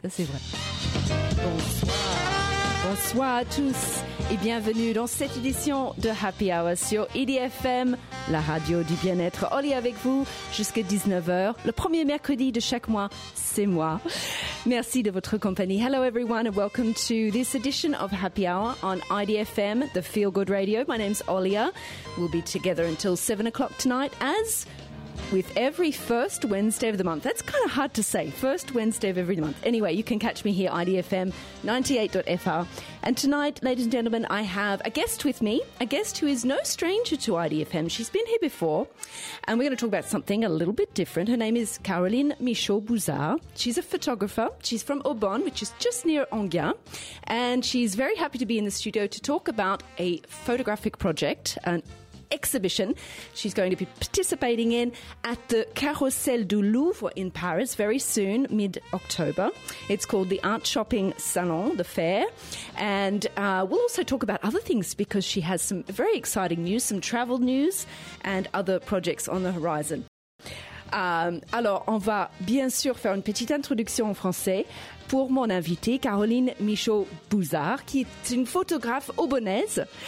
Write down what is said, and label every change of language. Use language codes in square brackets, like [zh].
[fr] Ça, c'est vrai. Bonsoir. Bonsoir à tous. Et bienvenue dans cette édition de Happy Hour sur IDFM, la radio du bien-être. Oli avec vous jusqu'à 19h, le premier mercredi de chaque mois, c'est moi. Merci de votre compagnie. [en] Hello everyone and welcome to this edition of Happy Hour on IDFM, the Feel Good Radio. My name's Olia. We'll be together until 7 o'clock tonight as with every first Wednesday of the month. That's kind of hard to say, first Wednesday of every month. Anyway, you can catch me here, IDFM 98.fr. And tonight, ladies and gentlemen, I have a guest with me, a guest who is no stranger to IDFM. She's been here before, and we're going to talk about something a little bit different. Her name is Caroline Michaud-Bouzard. She's a photographer. She's from Aubonne, which is just near Enghien. And she's very happy to be in the studio to talk about a photographic project, an exhibition she's going to be participating in at the Carousel du Louvre in Paris very soon, mid-October. It's called the Art Shopping Salon, the fair. And we'll also talk about other things because she has some very exciting news, some travel news and other projects on the horizon. [fr] Alors, on va bien sûr faire une petite introduction en français pour mon invitée, Caroline Michaud-Bouzard, qui est une photographe aubonnaise.